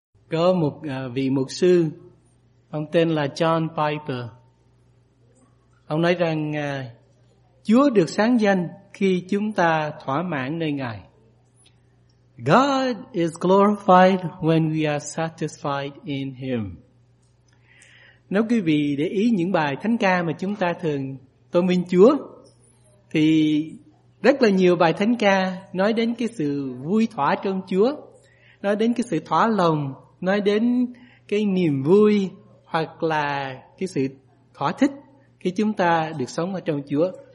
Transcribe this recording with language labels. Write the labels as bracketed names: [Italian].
[Vietnamese] có một vị mục sư, ông tên là John Piper. Ông nói rằng Chúa được sáng danh khi chúng ta thỏa mãn nơi Ngài. [English] God is glorified when we are satisfied in Him. [Vietnamese] Nếu quý vị để ý những bài thánh ca mà chúng ta thường tôn vinh Chúa, thì rất là nhiều bài thánh ca nói đến cái sự vui thỏa trong Chúa, nói đến cái sự thỏa lòng, nói đến cái niềm vui hoặc là cái sự thỏa thích khi chúng ta được sống ở trong Chúa.